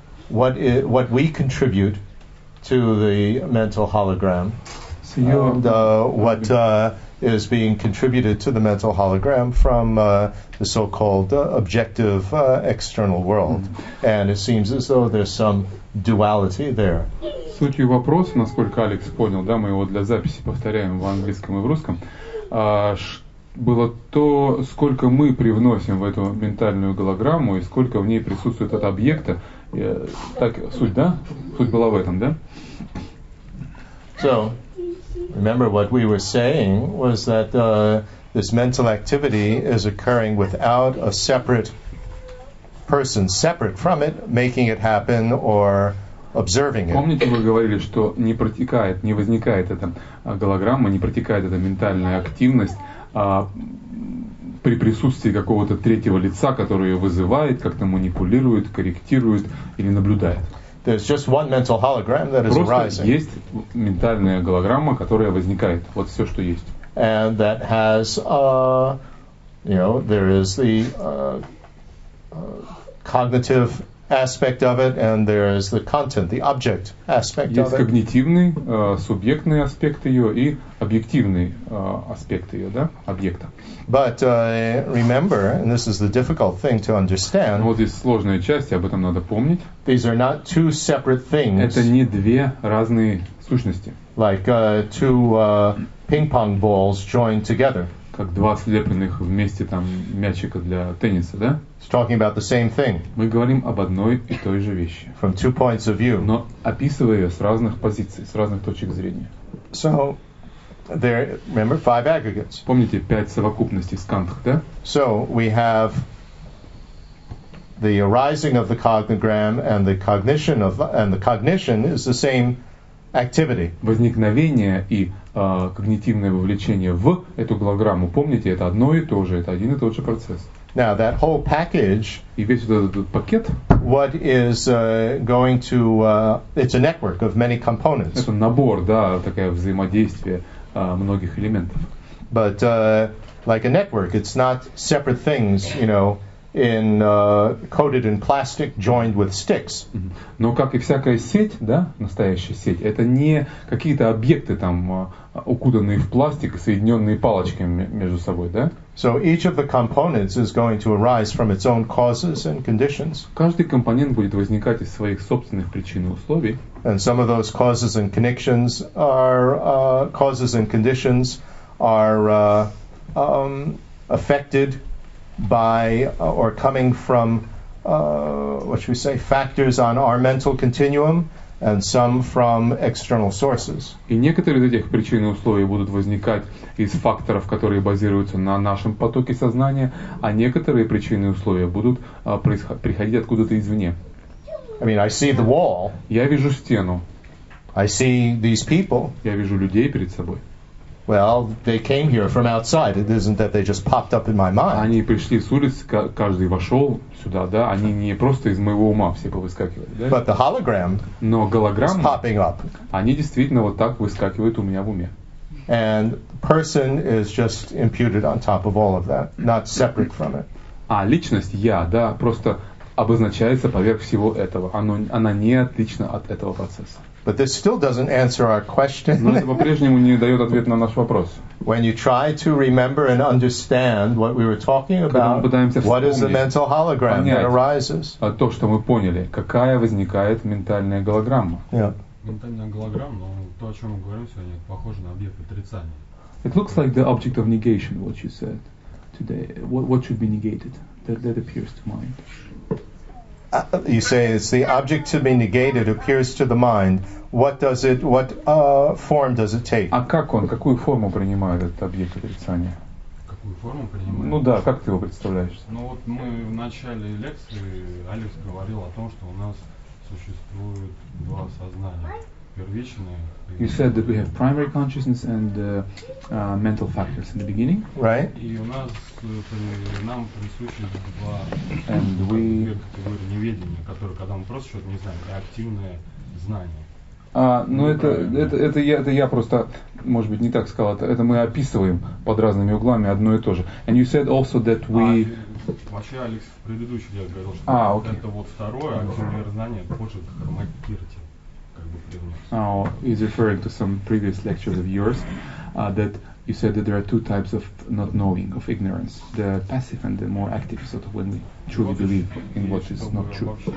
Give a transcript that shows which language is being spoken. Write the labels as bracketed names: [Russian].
[English] what we contribute to the mental hologram and what is being contributed to the mental hologram from the so-called objective external world. Mm-hmm. And it seems as though there's some duality there. [Russian] Сутью вопроса, насколько Алекс понял, да, мы его для записи повторяем в английском и в русском, было то, сколько мы привносим в эту ментальную голограмму и сколько в ней присутствует от объекта. Так, суть, да? Суть была в этом, да? [English] So, remember what we were saying was that this mental activity is occurring without a separate person separate from it making it happen or observing it. [Russian] Помните, вы говорили, что не протекает, не возникает эта голограмма, не протекает эта ментальная активность при присутствии какого-то третьего лица, который ее вызывает, как-то манипулирует, корректирует или наблюдает. [English] There's just one mental hologram that [Russian] Просто [English] is arising. [Russian] Есть ментальная голограмма, которая возникает. Вот все, что есть. [English] And that has, there is the cognitive aspect of it, and there is the content, the object aspect [Russian] есть Есть когнитивный, субъективный аспект ее и объективный аспект ее, да, объекта. [English] But remember, and this is the difficult thing to understand. [Russian] Вот здесь сложная часть, об этом надо помнить. [English] These are not two separate things. [Russian] Это не две разные сущности. [English] like two ping pong balls joined together. [Russian] Как два слепленных вместе там мячика для тенниса, да? [English] It's talking about the same thing. [Russian] Мы говорим об одной и той же вещи. [English] From two points of view. [Russian] Но описывая ее с разных позиций, с разных точек зрения. [English] So there, remember, five aggregates. [Russian] Помните пять совокупностей с кантах, да? [English] So we have the arising of the cognogram and the cognition of, and the cognition is the same activity. [Russian] Возникновение и когнитивное вовлечение в эту голограмму. Помните, это одно и то же, это один и тот же процесс. [English] Now that whole package. [Russian] И весь этот, этот пакет. [English] What is going to? It's a network of many components. [Russian] Это набор, да, такое взаимодействие многих элементов. [English] But like a network, it's not separate things, you know, in coated in plastic, joined with sticks. [Russian] Но как и всякая сеть, да, настоящая сеть, это не какие-то объекты там, укутанные в пластик, соединенные палочками между собой, да? [English] So each of the components is going to arise from its own causes and conditions. [Russian] Каждый компонент будет возникать из своих собственных причин и условий. [English] And some of those causes and connections are causes and conditions are affected by or coming from what should we say, factors on our mental continuum, and some from external sources. [Russian] И некоторые из этих причин и условий будут возникать из факторов, которые базируются на нашем потоке сознания, а некоторые причины и условия будут приходить откуда-то извне. [English] I mean, I see the wall. [Russian] Я вижу стену. [English] I see these people. [Russian] Я вижу людей перед собой. [English] Well, they came here from outside. It isn't that they just popped up in my mind. [Russian] Они пришли с улицы, каждый вошел сюда, да? Они не просто из моего ума все повыскакивали, да? [English] But the hologram. [Russian] Но голограмма. [English] Is popping up. [Russian] Они действительно вот так выскакивают у меня в уме. [English] And person is just imputed on top of all of that, not separate from it. [Russian] А личность я, да, просто обозначается поверх всего этого. Оно, она не отлична от этого процесса. [English] But this still doesn't answer our question. [Russian] Но это по-прежнему не дает ответ на наш вопрос. [English] When you try to remember and understand what we were talking about, what is the mental hologram that arises? [Russian] То, что мы поняли, какая возникает ментальная голограмма. [English] Yeah. [Russian] Ментальная голограмма, но то, о чем мы говорим сегодня, похоже на объект отрицания. [English] It looks like the object of negation, what you said today. What should be negated? That appears to mind. You say it's the object to be negated appears to the mind. What does it? What form does it take? [Russian] А как он? Какую форму принимает этот объект отрицания? Какую форму принимает? Ну да. Как ты его представляешь? Ну вот мы в начале лекции Алекс говорил о том, что у нас существует два сознания, первичное. [English] You said that we have primary consciousness and mental factors in the beginning. Right. [Russian] И у нас, нам присущи два категории неведения, которые, когда мы просто что-то не знаем, реактивное знание. Ну это я просто, может быть, не так сказал, это мы описываем под разными углами одно и то же. [English] And you said also that we... [Russian] Вообще, Алекс, в предыдущий я говорил, что это вот второе, активное знание, позже к хромакерте. [English] Oh, he's referring to some previous lectures of yours that you said that there are two types of not knowing, of ignorance, the passive and the more active, sort of when we truly believe in what is not true.